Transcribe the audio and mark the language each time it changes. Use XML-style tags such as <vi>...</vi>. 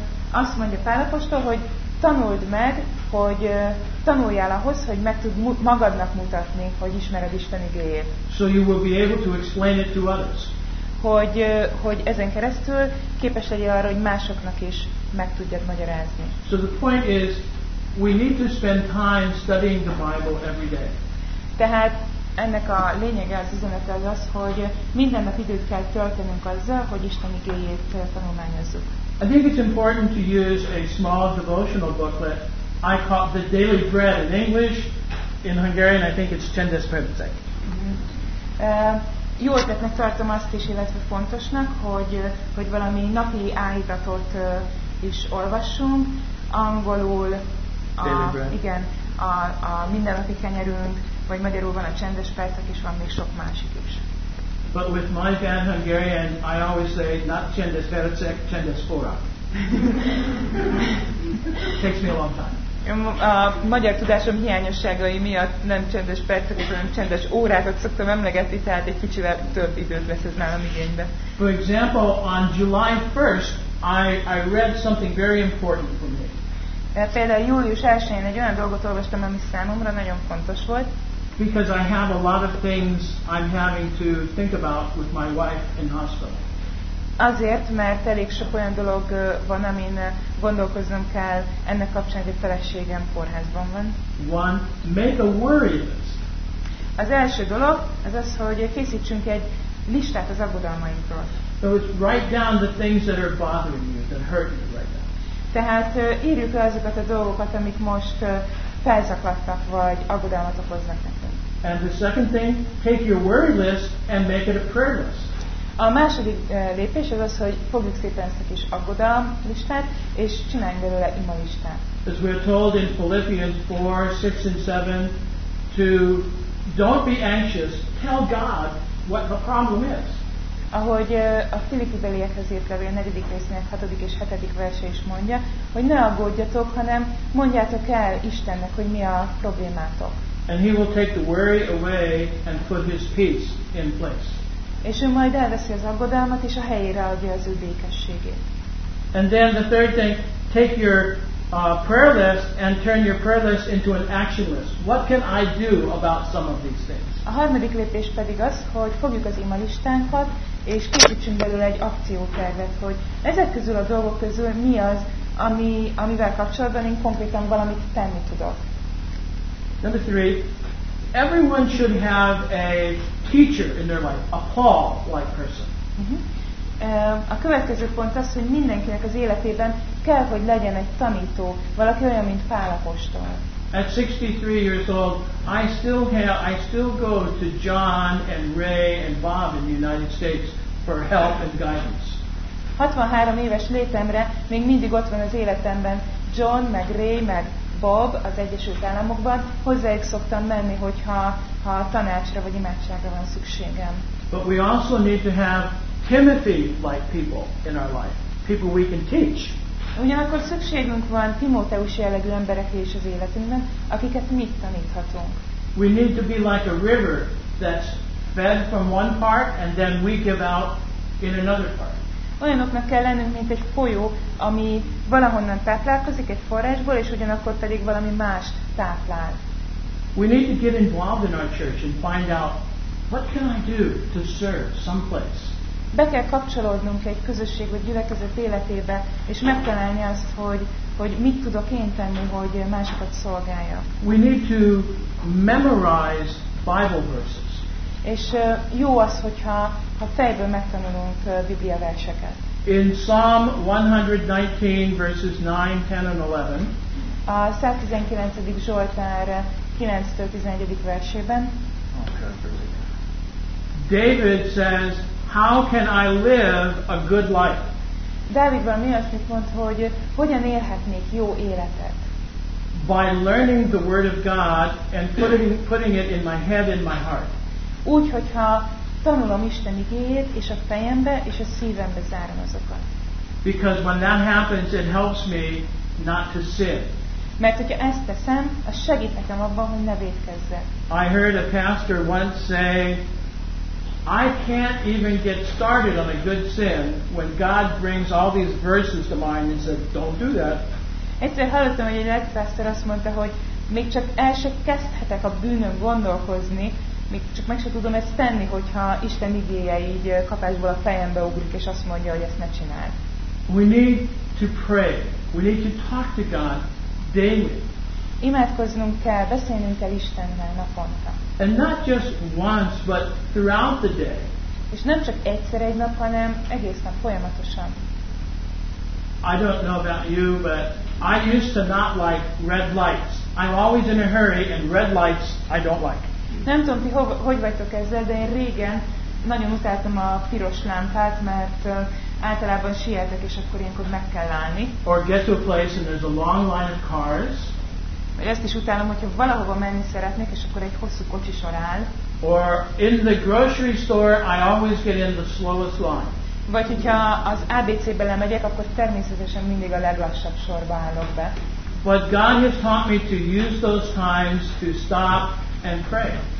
<hu>Azt mondja Pál apostol, hogy tanuld meg, hogy tanuljál ahhoz, hogy meg tud magadnak mutatni, hogy ismered Isten igéjét.</hu> <en>So you will be able to explain it to others.</en> <hu>Hogy ezen keresztül képes legyél arra, hogy másoknak is meg tudjad magyarázni.</hu> <en>So the point is, we need to spend time studying the Bible every day.</en> <hu>Tehát ennek a lényege, az üzenete az, hogy minden nap időt kell töltenünk azzal, hogy Isten igéjét tanulmányozzuk.</hu> <en>I think it's important to use a small devotional booklet. I call it the Daily Bread in English. In Hungarian, I think it's Csendes Percek.</en> <hu>Jó ötletnek tartom azt is, illetve fontosnak, hogy valami napi áhítatot is olvassunk. Angolul a mindennapi kenyerünk, vagy magyarul van a Csendes Percek, és van még sok másik is.</hu> <en>But with my bad Hungarian, I always say not Csendes Percek, Csendes Óra. Takes me a long time.</en> <hu>A magyar tudásom hiányosságai miatt nem csendes perceket, hanem csendes órákat szoktam emlegetni, tehát egy kicsivel több időt vesz ez nálam igénybe.</hu> <en>For example, on July 1st, I read something very important for me.</en> <hu>Például július 1-én egy olyan dolgot olvastam, ami számomra nagyon fontos volt.</hu> <en>Because I have a lot of things I'm having to think about with my wife in hospital.</en> <hu>Azért, mert elég sok olyan dolog van, amin gondolkoznom kell, ennek kapcsán, hogy a feleségem kórházban van.</hu> <en>One, make a worry list.</en> <hu>Az első dolog az, hogy készítsünk egy listát az aggodalmainkról.</hu> <en>So write down the things that are bothering you, that hurt you right now.</en> <hu>Tehát írjuk le azokat a dolgokat, amik most felzaklattak, vagy aggodalmat okoznak nekem.</hu> <en>And the second thing, take your worry list and make it a prayer list.</en> <hu>A második lépés az, hogy fogjuk szépen ezt a kis aggodalom listát, és csináljunk belőle ima listát.</hu> <en>As we are told in Philippians 4, 6 and 7, to don't be anxious, tell God what the problem is.</en> <hu>Ahogy a Filippi beliekhez írt levél 4. résznek 6. és 7. verse is mondja, hogy ne aggódjatok, hanem mondjátok el Istennek, hogy mi a problémátok.</hu> <en>And he will take the worry away and put his peace in place.</en> <hu>És ő majd elveszi az aggodalmat, és a helyére adja az ő békességét.</hu> <en>And then the third thing, take your prayer list and turn your prayer list into an action list. What can I do about some of these things?</en> <hu>A harmadik lépés pedig az, hogy fogjuk az imalistánkat, és készítsünk belőle egy akciótervet, hogy ezek közül a dolgok közül mi az, amivel kapcsolatban én konkrétan valamit tenni tudok.</hu> <en>Number three, everyone should have a teacher in their life, a Paul-like person.</en> <hu>A következő pont az, hogy mindenkinek az életében kell, hogy legyen egy tanító, valaki olyan, mint Pál apostol.</hu> <en>At 63 years old, I still go to John and Ray and Bob in the United States for help and guidance.</en> <hu>63 éves létemre még mindig ott van az életemben John, meg Ray, meg Bob az Egyesült Államokban, hozzájuk szoktam menni, hogyha tanácsra vagy imádságra van szükségem.</hu> <en>But we also need to have Timothy-like people in our life. People we can teach.</en> <hu>Ugyanakkor szükségünk van Timóteus jellegű emberekre is az életünkben, akiket mit taníthatunk.</hu> <en>We need to be like a river that's fed from one part and then we give out in another part.</en> <hu>Olyanoknak kell lennünk, mint egy folyó, ami valahonnan táplálkozik egy forrásból, és ugyanakkor pedig valami más táplál.</hu> <en>We need to get involved in our church and find out what can I do to serve someplace.</en> <hu>Be kell kapcsolódnunk egy közösség vagy gyülekezet életébe, és megtalálni azt, hogy mit tudok én tenni, hogy másokat szolgáljak.</hu> <en>We need to memorize Bible verses.</en> <hu>És jó az, hogyha fejből megtanulunk Biblia verseket.</hu> <en>In Psalm 119 verses 9, 10 and 11.</en> <hu>A 119. Zsoltár 9-től 11. versében.</hu> <en>David says, how can I live a good life?</en> <hu>David valami azt mond, hogy hogyan élhetnék jó életet?</hu> <en>By learning the word of God and putting it in my head and my heart.</en> <hu>Úgy, hogyha tanulom Isten igéjét, és a fejembe és a szívembe zárom azokat.</hu> <en>Because when that happens, it helps me not to sin.</en> <hu>Mert hogyha ezt teszem, az segít nekem abban, hogy ne vétkezzek.</hu> <en>I heard a pastor once say, I can't even get started on a good sin when God brings all these verses to mind and says, don't do that.</en> <hu>Egyszer hallottam, hogy egy pastor azt mondta, hogy még csak el se kezdhetek a bűnön gondolkozni, még csak meg se tudom ezt tenni, hogyha Isten igéje így kapásból a fejembe ugrik, és azt mondja, hogy ezt ne csináld.</hu> <en>We need to pray. We need to talk to God daily.</en> <hu>Imádkoznunk kell, beszélnünk kell Istennel naponta.</hu> <en>And not just once, but throughout the day.</en> <hu>És nem csak egyszer egy nap, hanem egész nap folyamatosan.</hu> <en>I don't know about you, but I used to not like red lights. I'm always in a hurry, and red lights I don't like.</en> <hu>Nem tudom, ti hogy vagytok ezzel, de én régen nagyon utáltam a piros lámpát, mert általában sietek, és akkor ilyenkor meg kell állni.</hu> <en>Or get to a place and there's a long line of cars.</en> <hu>Vagy ezt is utálom, hogyha valahova menni szeretnék, és akkor egy hosszú kocsi sor áll.</hu> <en>Or in the grocery store, I always get in the slowest line.</en> <hu>Vagy hogyha az ABC-be lemegyek, akkor természetesen mindig a leglassabb sorba állok be.</hu> <en>But God has taught me to use those times to stop and pray.</en>